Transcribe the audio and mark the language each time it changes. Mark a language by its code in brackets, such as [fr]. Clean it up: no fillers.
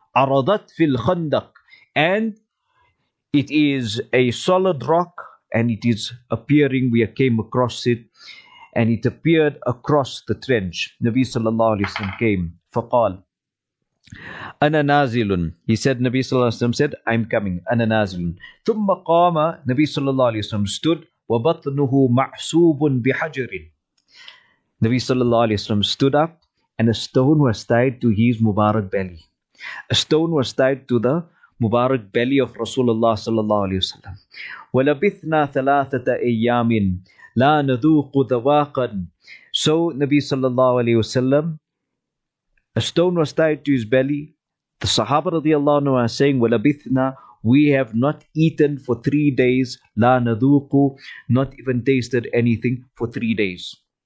[ar] Aradat fil khandaq. [en] And it is a solid rock. And it is appearing. We came across it. And it appeared across the trench. Nabi sallallahu alayhi wa sallam came. [ar] Faqal. أنا نازلٌ. [en] He said, Nabi صلى الله عليه وسلم said, I'm coming. [ar] أنا نازلٌ. ثم قام نبي صلى الله عليه وسلم stood وبطنه معصوب بحجر. [en] Nabi صلى الله عليه وسلم stood up and a stone was tied to his Mubarak belly. A stone was tied to the Mubarak belly of Rasulullah صلى الله عليه وسلم. [ar] ولبثنا ثلاثة أيام لا نذوق ذواقا. [en] So Nabi صلى الله عليه وسلم, a stone was tied to his belly. The Sahaba radiallahu anhu are saying, [ar] وَلَبِثْنَا, [en] we have not eaten for 3 days. [ar] لَا نَذُوقُ, [en] not even tasted anything for 3 days.